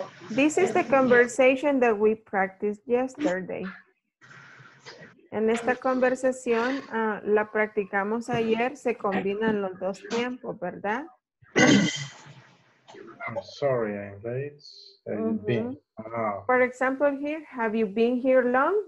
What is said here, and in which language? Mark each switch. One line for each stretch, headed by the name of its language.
English: This is the conversation that we practiced yesterday.
Spanish: En esta conversación, la practicamos ayer, se combinan los dos tiempos, ¿verdad?
English: I'm sorry, I'm late. For example, here, have you been here long?